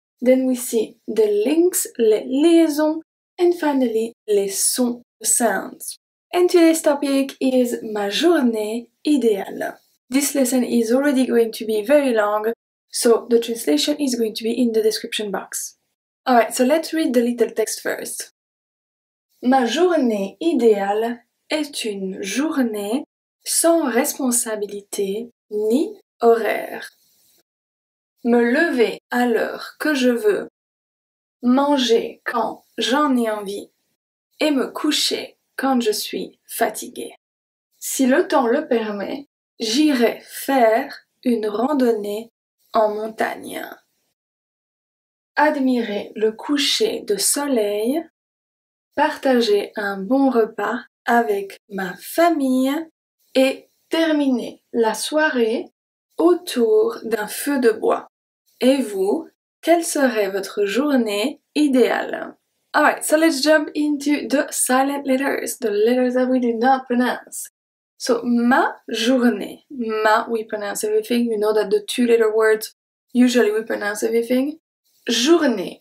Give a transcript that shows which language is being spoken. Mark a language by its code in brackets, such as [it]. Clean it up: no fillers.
[en] Then we see the links, [fr] les liaisons. [en] And finally, [fr] les sons, [en] the sounds. And today's topic is [fr] ma journée idéale. [en] This lesson is already going to be very long, so the translation is going to be in the description box. Alright, so let's read the little text first. [fr] Ma journée idéale est une journée sans responsabilité ni horaire. Me lever à l'heure que je veux, manger quand j'en ai envie et me coucher quand je suis fatiguée. Si le temps le permet, j'irai faire une randonnée en montagne. Admirer le coucher de soleil, partager un bon repas avec ma famille et terminer la soirée autour d'un feu de bois. Et vous, quelle serait votre journée idéale? [en] Alright, so let's jump into the silent letters, the letters that we do not pronounce. So, [fr] ma journée. [en] Ma, we pronounce everything. You know that the two-letter words, usually we pronounce everything. Journée.